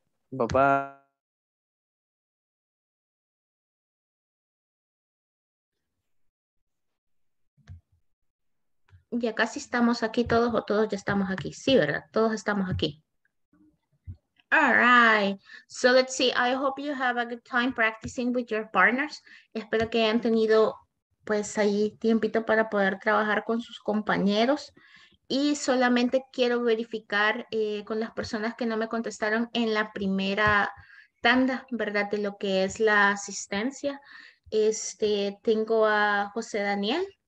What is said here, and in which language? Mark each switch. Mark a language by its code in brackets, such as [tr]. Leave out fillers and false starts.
[en] Bye bye. [es] Ya casi estamos aquí todos o todos ya estamos aquí. Sí, ¿verdad? Todos estamos aquí. [en] All right, so let's see. I hope you have a good time practicing with your partners. [es] Espero que hayan tenido pues ahí tiempito para poder trabajar con sus compañeros. Y solamente quiero verificar con las personas que no me contestaron en la primera tanda, ¿verdad? De lo que es la asistencia. Este, tengo a José Daniel.